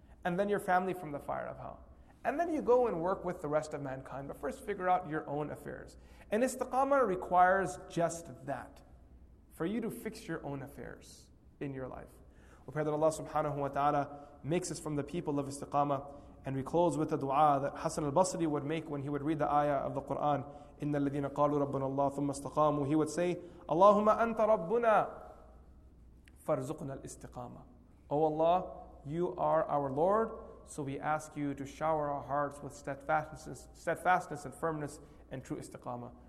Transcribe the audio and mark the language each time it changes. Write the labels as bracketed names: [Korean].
[English] And then your family from the fire of hell. And then you go and work with the rest of mankind, but first figure out your own affairs. And istiqamah requires just that. For you to fix your own affairs in your life. We pray that Allah subhanahu wa ta'ala makes us from the people of istiqamah. And we close with a dua that Hassan al-Basri would make when he would read the ayah of the Qur'an. [Arabic] إِنَّ الَّذِينَ قَالُوا رَبُّنَ اللَّهُ ثُمَّ اسْتَقَامُوا He would say, اللَّهُمَّ أَنْتَ رَبُّنَا فَارْزُقْنَا الْإِسْتِقَامَةِ [English] O Allah, You are our Lord. So we ask you to shower our hearts with steadfastness and firmness and true istiqamah.